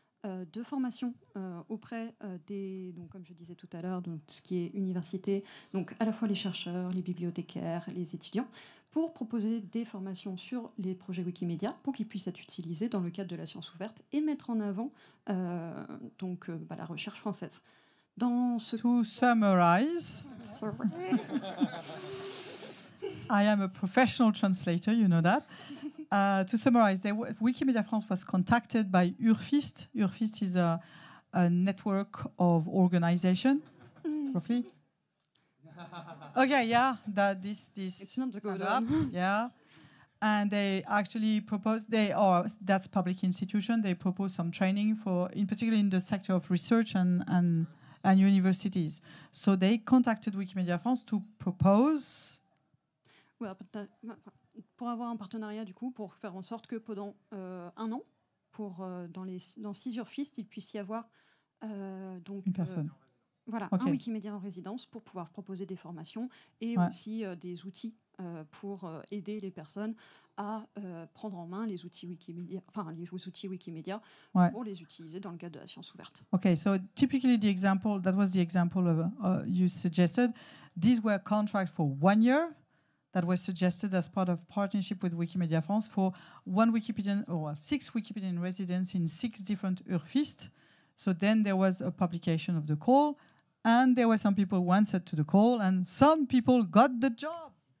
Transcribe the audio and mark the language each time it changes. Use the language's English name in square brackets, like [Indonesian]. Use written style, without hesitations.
[French] de formation auprès des, donc, comme je disais tout à l'heure, donc, ce qui est université, donc à la fois les chercheurs, les bibliothécaires, les étudiants, pour proposer des formations sur les projets Wikimedia pour qu'ils puissent être utilisés dans le cadre de la science ouverte et mettre en avant la recherche française. Dans ce [English] to summarize, I am a professional translator, you know that. To summarize, Wikimedia France was contacted by URFIST. URFIST is a network of organization, roughly. Okay, yeah, this it's not a good one. Yeah, and they actually proposed, that's a public institution, they proposed some training for, in particular in the sector of research and universities. So they contacted Wikimedia France to propose. Well, but [French] pour avoir un partenariat, du coup, pour faire en sorte que pendant un an, dans 6 URFIST, il puisse y avoir une personne. [English] Okay. [French] Un Wikimedia en résidence pour pouvoir proposer des formations et aussi des outils pour aider les personnes à prendre en main les outils Wikimedia, pour les utiliser dans le cadre de la science ouverte. [English] OK, so typically the example you suggested, these were contracts for 1 year. That was suggested as part of partnership with Wikimedia France for 1 Wikipedian or 6 Wikipedian residents in 6 different URFIST. So then there was a publication of the call, and there were some people who answered to the call, and some people got the job.